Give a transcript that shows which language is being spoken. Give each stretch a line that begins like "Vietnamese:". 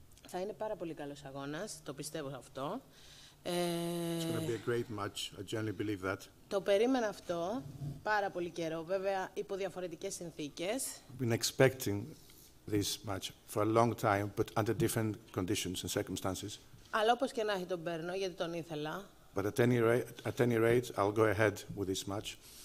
Greek: Θα είναι πάρα πολύ καλός αγώνας, το πιστεύω αυτό.
English: It's going to be a great match, I generally believe that.
Greek: Το περίμενα αυτό πάρα πολύ καιρό, βέβαια υπό διαφορετικές συνθήκες.
English: I've been expecting this match for a long time, but under different conditions and circumstances.
Greek: Αλλά όπως και να έχει τον παίρνω, γιατί τον ήθελα.
English: But at any rate, I'll go ahead with this match.